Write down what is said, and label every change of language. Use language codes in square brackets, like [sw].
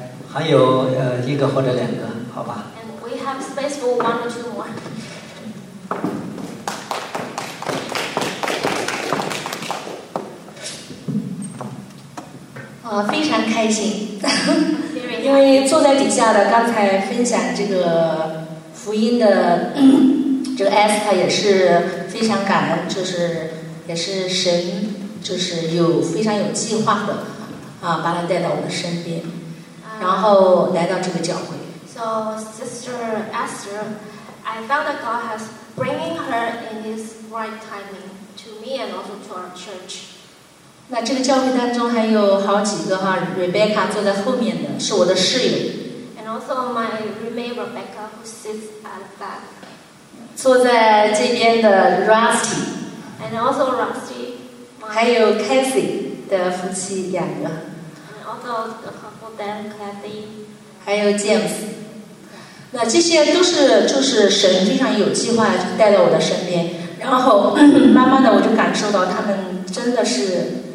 [zh] 还有一个或者两个好吧 [en] And we have space for one or two more [zh] 非常开心因为坐在底下的刚才分享这个福音的这个 S 他也是非常感恩就是也是神就是有非常有计划的把他带到我们身边然后来到这个教会 [en] So Sister Esther I felt that God has bringing her in this right timing to me and also to our church [zh] 那这个教会当中还有好几个哈 ，Rebecca 坐在后面的是我的室友。 [en] And also my roommate Rebecca who sits at the back. [zh] 坐在这边的 Rusty. [en] And also Rusty. [zh] 还有 Kathy 的夫妻两个。 [en] And also the couple Dan and Kathy. [zh] 还有 James. 那这些都是就是神非常有计划带到我的身边，然后慢慢的我就感受到他们真的是。